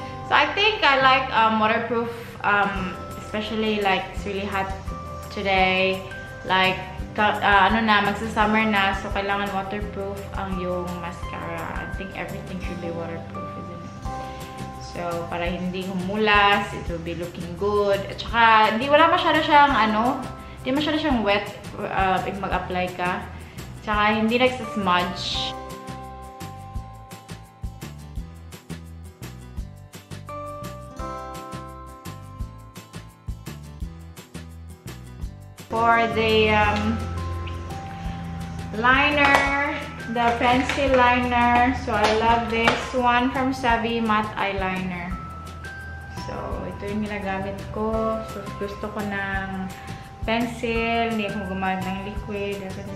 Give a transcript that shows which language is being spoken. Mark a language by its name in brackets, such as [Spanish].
[English] So I think I like waterproof, especially like it's really hot today. [Filipino] Like ano na, magsa-summer na, so kailangan waterproof ang yung mascara. [English] I think everything should be waterproof, isn't it? So [Filipino] para hindi humulas, [English] it will be looking good. [Filipino] At saka, hindi wala masyado siyang ano, hindi masyado siyang wet if mag-apply ka. Tsaka hindi nagsasmudge. [English] For the liner, the pencil liner. So I love this one from Savvy Matte Eyeliner. [Filipino] So ito yung ginagamit ko. So gusto ko ng pencil, hindi ako gumamit ng liquid.